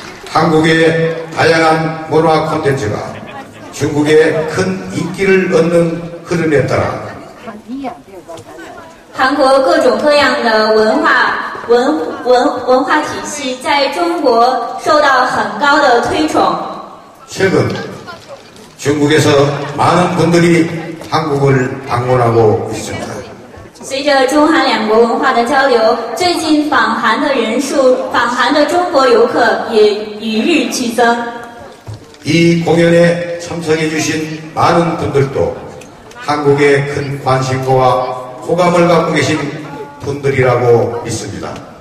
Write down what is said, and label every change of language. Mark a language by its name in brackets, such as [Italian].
[Korean] 한국의 다양한 문화 콘텐츠가 중국의 큰 인기를 얻는 흐름에 따라 [Chinese] 한국各种各样的文化体系在中国受到很高的推崇 [Korean] 최근 중국에서 많은 분들이 한국을 방문하고 있습니다. [Chinese] 随着中韩两国文化的交流，最近访韩的人数，访韩的中国游客也与日俱增。 [Korean] 이 공연에 참석해주신 많은 분들도 한국에 큰 관심과 호감을 갖고 계신 분들이라고 믿습니다.